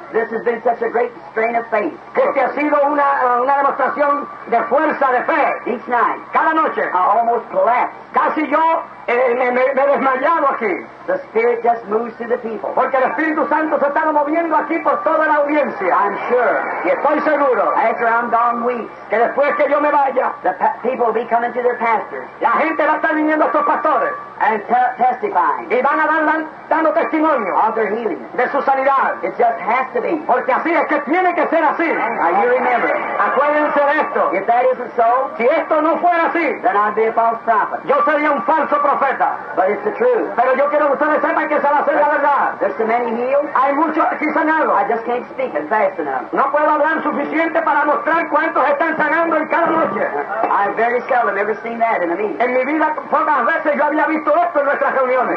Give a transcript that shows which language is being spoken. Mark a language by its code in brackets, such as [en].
[en] this has been such a great strain of faith. [es] Este ha sido una demostración de fuerza, de fe. [en] Each night, [es] cada noche, [en] I almost collapsed. [es] Casi yo me he desmayado aquí. [en] The Spirit just moves through the people. [es] Porque el Espíritu Santo se está moviendo aquí por toda la audiencia. [en] I'm sure. [es] Y estoy seguro. [en] After I'm gone weeks, [es] que después que yo me vaya, [en] the people will be coming to their pastors. [es] La gente va a estar viniendo a estos pastores. [en] And testifying. [es] Y van a dar dando testimonio. [en] Of their healing. [es] De su sanidad. [en] It just has to be. [es] Porque así es que tiene que ser así. [en] Now you remember. [es] Acuérdense de esto. [en] If that isn't so, [es] si esto no fuera así, [en] then I'd be a false prophet. [es] Yo sería un falso profeta. [en] But it's the truth. [es] Pero yo quiero que ustedes sepan que esa va a ser la verdad. [en] There's so many healed. [es] Hay muchos aquí sanados. [en] I just can't speak and fast enough. [es] No puedo hablar suficiente para mostrar cuántos están sanando en cada noche. [en] I very seldom ever seen that in a meeting. [es] En mi vida pocas veces yo había visto esto en nuestras reuniones.